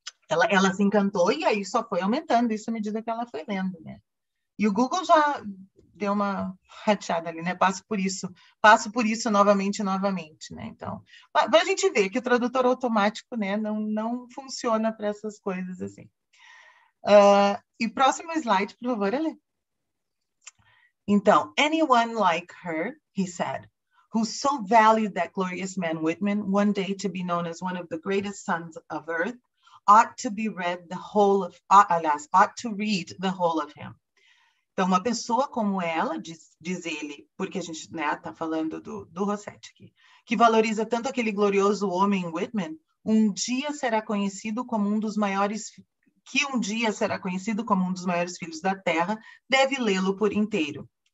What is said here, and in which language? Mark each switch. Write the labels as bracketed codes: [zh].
[pt] Ela se encantou e aí só foi aumentando isso à medida que ela foi lendo, né? E o Google já deu uma rateada ali, né? Passo por isso novamente e novamente, né? Então, para a gente ver que o tradutor automático, né, não funciona para essas coisas assim. E próximo slide, por favor, Ale. Então, [en] anyone like her, he said, who so valued that glorious man Whitman, one day to be known as one of the greatest sons of Earth, ought to be read the whole of, alas, ought to read the whole of him. [pt] Então, uma pessoa como ela, diz ele, porque a gente, né, está falando do Rossetti aqui, que valoriza tanto aquele glorioso homem Whitman, um dia será conhecido como um dos maiores, que um dia será conhecido como um dos maiores filhos da Terra, deve lê-lo por inteiro.